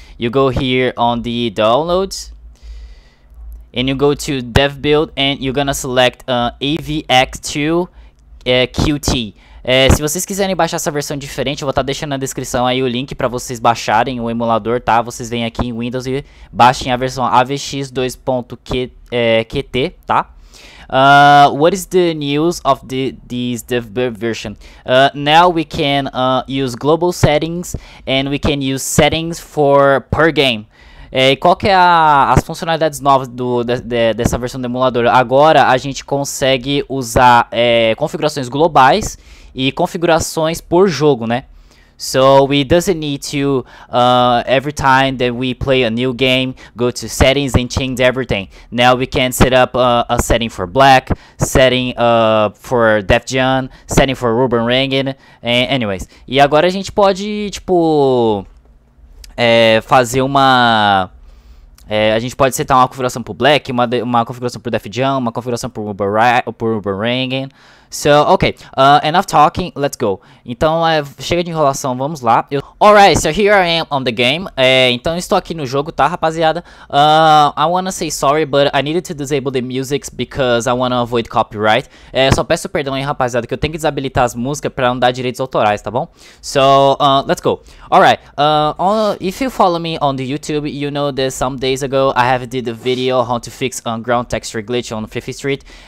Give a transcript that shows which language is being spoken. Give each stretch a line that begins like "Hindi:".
English: You go here on the downloads and you go to dev build and you're gonna select AVX2 QT.
Portuguese: Se vocês quiserem baixar essa versão diferente, eu vou estar deixando na descrição aí o link para vocês baixarem o emulador, tá? Vocês vêm aqui em Windows e baixem a versão AVX2.QT, tá?
English: What is the news of this dev version? Now we can use global settings and we can use settings for per game.
Portuguese: Qual que é as funcionalidades novas dessa versão do emulador? Agora a gente consegue usar configurações globais e configurações por jogo, né?
English: So we doesn't need to every time that we play a new game go to settings and change everything. Now we can set up a setting for black, setting for Def Jam, setting for Ruben Rangan, anyways.
Portuguese: E agora a gente pode tipo fazer uma a gente pode setar uma configuração pro black, uma configuração pro Def Jam, uma configuração pro Ruben Rangan.
English: So, okay, enough talking, let's go.
Portuguese: Então, chega de enrolação, vamos lá.
English: Alright, so here I am on the game.
Portuguese: Então, estou aqui no jogo, tá, rapaziada?
English: I wanna say sorry, but I needed to disable the music because I wanna avoid copyright.
Portuguese: Só peço perdão aí, rapaziada, que eu tenho que desabilitar as músicas pra não dar direitos autorais, tá bom?
English: So, let's go. Alright, if you follow me on the YouTube, you know that some days ago I have did a video on how to fix ground texture glitch on Fifa Street.